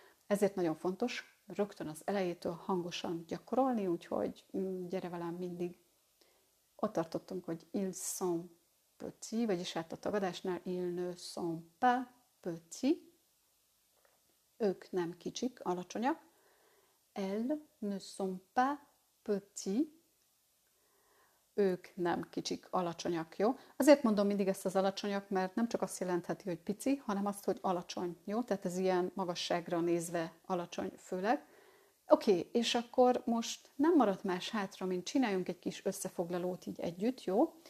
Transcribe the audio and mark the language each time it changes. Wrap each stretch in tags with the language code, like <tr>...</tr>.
<hu>Ezért nagyon fontos rögtön az elejétől hangosan gyakorolni, úgyhogy gyere velem mindig. Ott tartottunk, hogy</hu> <fr>ils sont petits,</fr> <hu>vagyis hát a tagadásnál</hu> <fr>ils ne sont pas petits.</fr> <hu>Ők nem kicsik, alacsonyak.</hu> <fr>Elles ne sont pas petits.</fr> <hu>Ők nem kicsik, alacsonyak, jó? Azért mondom mindig ezt az alacsonyak, mert nem csak azt jelentheti, hogy pici, hanem azt, hogy alacsony, jó? Tehát ez ilyen magasságra nézve alacsony főleg. Oké, okay, és akkor most nem maradt más hátra, mint csináljunk egy kis összefoglalót így együtt, jó?</hu>